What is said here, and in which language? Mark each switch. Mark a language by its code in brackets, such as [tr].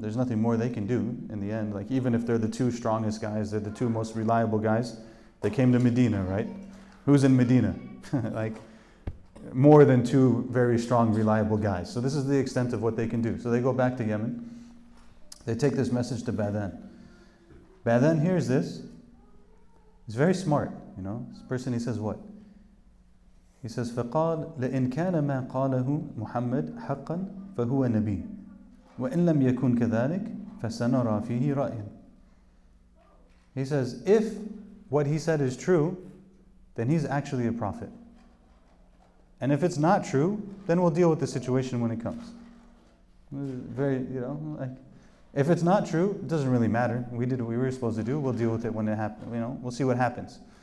[en] There's nothing more they can do in the end. Like even if they're the two strongest guys, they're the two most reliable guys, they came to Medina, right? Who's in Medina? Like more than two very strong, reliable guys. So this is the extent of what they can do. So they go back to Yemen. They take this message to Badan. Badan hears this. He's very smart, you know. This person, he says what? He says, [ar] فَقَالْ لَإِنْ كَانَ مَا قَالَهُ مُحَمَّدْ حَقًّا فَهُوَ نَبِيٌّ وَإِنْ لَمْ يَكُنْ كَذَلِكَ فَسَنَرَى فِيهِ رَأْيًا. [en] He says, if what he said is true, then he's actually a prophet. And if it's not true, then we'll deal with the situation when it comes. Very, you know, like, if it's not true, it doesn't really matter. We did what we were supposed to do. We'll deal with it when it happens. You know, we'll see what happens.